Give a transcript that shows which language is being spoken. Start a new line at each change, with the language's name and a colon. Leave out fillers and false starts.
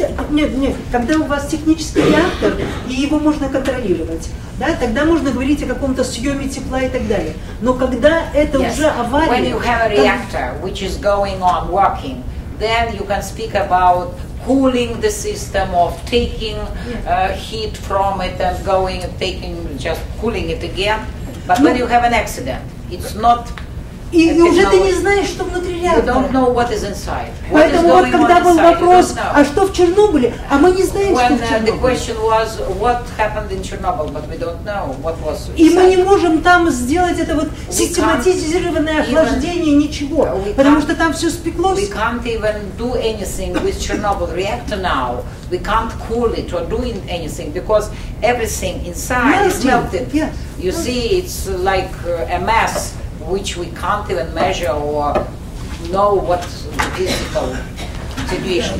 Russian: Нет, когда у вас технический реактор, и его можно контролировать, да, тогда можно говорить о каком-то съеме тепла и так далее. Но когда это уже авария...
English: When you have a reactor, which is going on working, then you can speak about cooling the system of taking heat from it and going and taking, just cooling it again. But when you have an accident, it's not...
Russian: И уже ты не знаешь, что внутри реактора. Поэтому вот когда был вопрос, а что в Чернобыле, а мы не знаем,
English: when,
Russian: что в Чернобыле.
English: The question was, what happened in Chernobyl, but we don't know what was.
Russian: И мы не можем там сделать это вот систематизированное охлаждение, ничего, потому что там все спеклось.
English: We can't even do anything with Chernobyl reactor now. We can't cool it or doing anything because everything inside is melted. Yes. You see, it's like a mess. Which we can't even measure or know what the physical situation is.